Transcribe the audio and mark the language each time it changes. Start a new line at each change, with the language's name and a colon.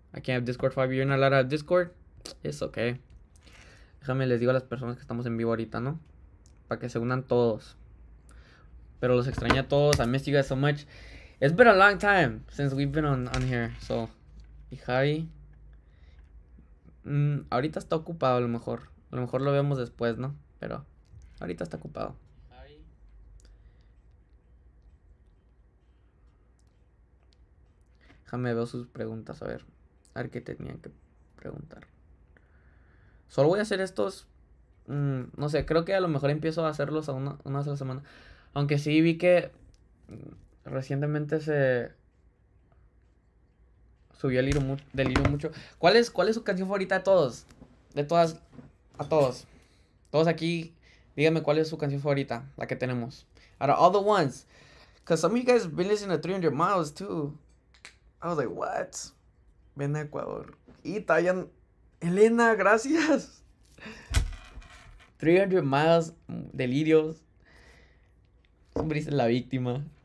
English: I can't have Discord 5, you're not allowed to have Discord. It's okay.
Spanish: Déjame les digo a las personas que estamos en vivo ahorita, ¿no? Para que se unan todos. Pero los extrañé a todos.
English: I miss you guys so much. It's been a long time since we've been on here.
Spanish: So, y Javi. Ahorita está ocupado, a lo mejor. A lo mejor lo vemos después, ¿no? Pero ahorita está ocupado. Déjame ver sus preguntas, a ver qué tenían que preguntar. Solo voy a hacer estos No sé, creo que a lo mejor empiezo a hacerlos a una sola semana. Aunque sí vi que recientemente se subió el Liru mucho, del Liru mucho. ¿Cuál es su canción favorita de todos? De todas, a todos. Todos aquí, díganme cuál es su canción favorita, la que tenemos.
English: Out of all the ones. Because some of you guys have been listening to 300 miles too. I was like, what?
Spanish: Ven a Ecuador. Y Tayan. Elena, gracias. 300 miles, delirios. Siempre dice la víctima.